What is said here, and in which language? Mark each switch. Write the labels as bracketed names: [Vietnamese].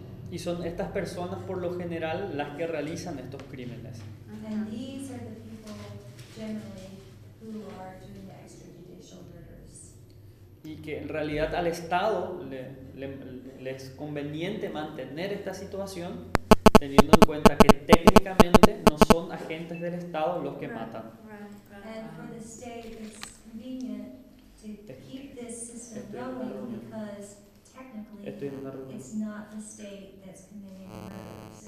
[Spanish] Y son estas personas por lo general las que realizan estos crímenes. [English] And these are the people generally who are doing the extrajudicial murders. [Spanish] Y que en realidad al Estado le es conveniente mantener esta situación, teniendo en cuenta que técnicamente no son agentes del Estado los que matan. [English] And for the state it's convenient to keep this system going because technically, it's not the state that's committing murders, it's